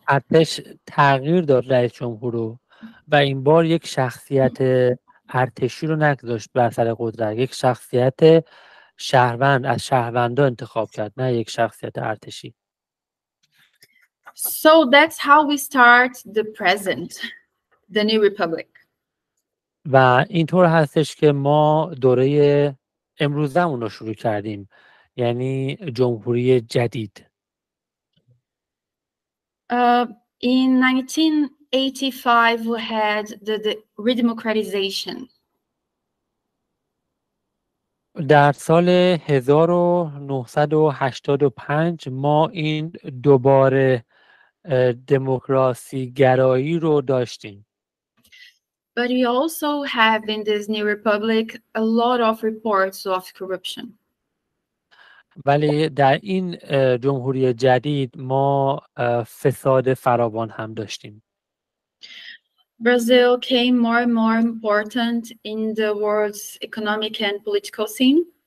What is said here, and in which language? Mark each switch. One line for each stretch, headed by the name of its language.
Persian: ارتش تغییر داد رئیس جمهور رو و این بار یک شخصیت ارتشی رو نگذاشت بر سر قدرت، یک شخصیت شهروند از شهروندا انتخاب کرد، نه یک شخصیت ارتشی.
English: So that's how we start the present, the new republic.
Persian: و اینطور هستش که ما دوره امروزمون رو شروع کردیم، یعنی جمهوری جدید.
English: In 1985 we had the redemocratization.
Persian: در سال 1985 ما این دوباره دموکراسی گرایی رو داشتیم.
English: But we also have in this new republic a lot of reports of corruption.
Persian: ولی در این جمهوری جدید ما فساد فراوان هم داشتیم.
English: Brazil came more and more important in the world's economic and political scene.